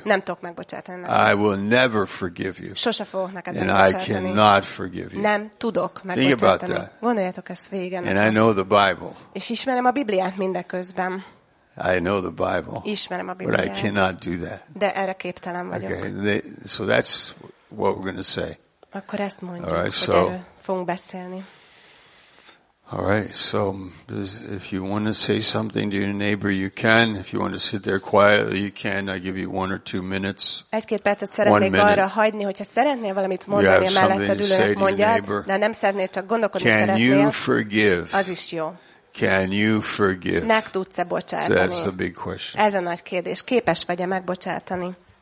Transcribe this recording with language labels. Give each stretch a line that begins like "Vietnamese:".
Hungarian: Nem tudok megbocsátani neked.
English: I will never forgive you.
Hungarian: Sose fogok neked megbocsátani.
English: And I cannot forgive you.
Hungarian: Nem tudok megbocsátani.
English: Think about that.
Hungarian: Gondoljatok ezt végig.
English: And I know the Bible.
Hungarian: És ismerem a Bibliát mindeközben.
English: I know the Bible.
Hungarian: Ismerem a Bibliát.
English: But I cannot do that.
Hungarian: De erre képtelen vagyok.
English: Okay, so that's what we're going to say.
Hungarian: Akkor ezt mondjuk,
English: all right, so,
Hungarian: hogy erről fogunk beszélni.
English: All right, so if you want to say something to your neighbor, you can. If you want to sit there quietly, you can. I give you 1 or 2 minutes.
Hungarian: Egy-két percet szeretnék arra hagyni, hogyha szeretnél valamit mondani, mellette ülő mondjad, de nem szeretnél, csak gondolkodni
English: szeretnél. Can you forgive?
Hungarian: Az is jó.
English: Can you forgive?
Hungarian: Meg tudsz-e bocsátani?
English: That's a big question.
Hungarian: Ez a nagy kérdés. Képes vagy-e megbocsátani?